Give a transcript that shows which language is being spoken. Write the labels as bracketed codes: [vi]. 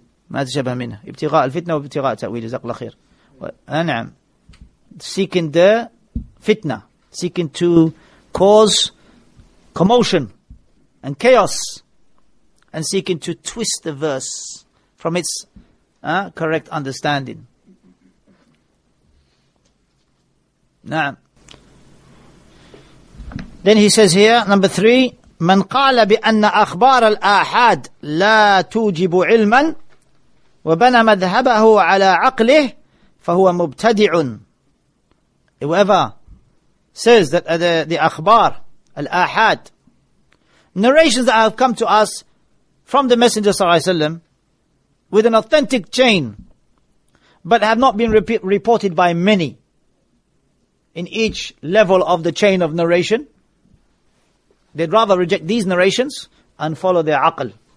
[ar] ما تشبه منها ابتغاء الفتنة وابتغاء التأويل جزاك الله خير. نعم [en] seeking the fitna, seeking to cause commotion and chaos, and seeking to twist the verse from its correct understanding. [ar] نعم. [en] Then he says here, number three, [ar] من قال بأن أخبار الآحاد لا توجب علما وبنى مذهبه على عقله فهو مبتدع. [en] Whoever says that the akhbar, al-ahad, narrations that have come to us from the Messenger sallallahu alayhi wa sallam with an authentic chain, but have not been reported by many in each level of the chain of narration, they'd rather reject these narrations and follow their aql.